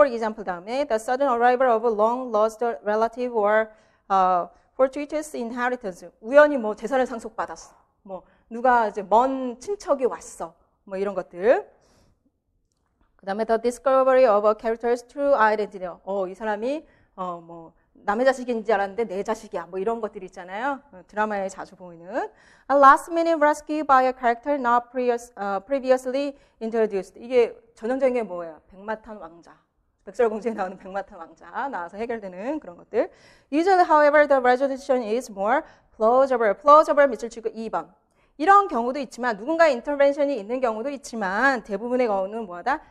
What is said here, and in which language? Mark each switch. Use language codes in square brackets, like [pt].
[en] For example 다음에 the sudden arrival of a long lost relative or fortuitous inheritance. [ko] 우연히 뭐 재산을 상속받았어. 뭐 누가 이제 먼 친척이 왔어. 뭐 이런 것들. 그다음에 [en] the discovery of a character's true identity. [ko] 이 사람이 뭐 남의 자식인지 알았는데 내 자식이야. 뭐 이런 것들 있잖아요. 드라마에 자주 보이는. [en] A last minute rescue by a character not previously introduced. [ko] 이게 전형적인 게 뭐예요? 백마탄 왕자. 백설공주에 나오는 백마탄 왕자 나와서 해결되는 그런 것들. [en] Usually, however, the resolution is more plausible. [ko] Plausible 밑줄 치고 2번. 이런 경우도 있지만 누군가의 인터벤션이 있는 경우도 있지만 대부분의 경우는 뭐다?